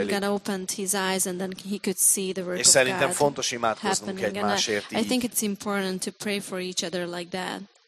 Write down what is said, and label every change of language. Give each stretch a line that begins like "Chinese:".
English: And then God opened his eyes and then he could see the work.
Hungarian: És szerintem fontos imádkoznunk egymásért.
English: I think it's important to pray for each other like that.